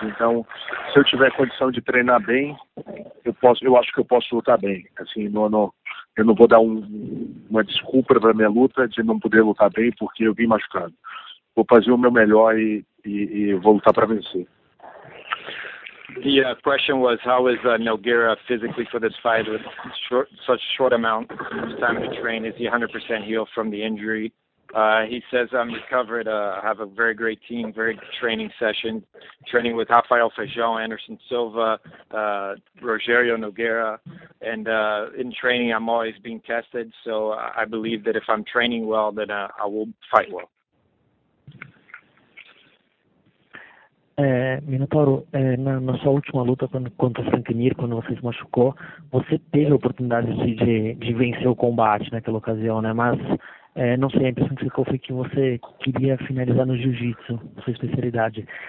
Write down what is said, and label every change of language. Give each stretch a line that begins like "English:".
Portuguese: Então, se eu tiver condição de treinar bem, eu acho que eu posso lutar bem. Assim, eu não vou dar uma desculpa para minha luta de não poder lutar bem porque eu vim machucado. Vou fazer o meu melhor e vou lutar para vencer.
English: The question was, how is Nogueira physically for this fight with such short amount of time to train? Is he 100% healed from the injury? He says, I'm recovered. I have a very great team, very good training session, training with Rafael Feijão, Anderson Silva, Rogério Nogueira. And in training, I'm always being tested. So I believe that if I'm training well, then I will fight well.
Portuguese: Minotauro, na sua última luta contra o Frank Mir, quando você se machucou, você teve a oportunidade de vencer o combate naquela ocasião, né? Mas, não sei, a impressão que ficou foi que você queria finalizar no jiu-jitsu, sua especialidade.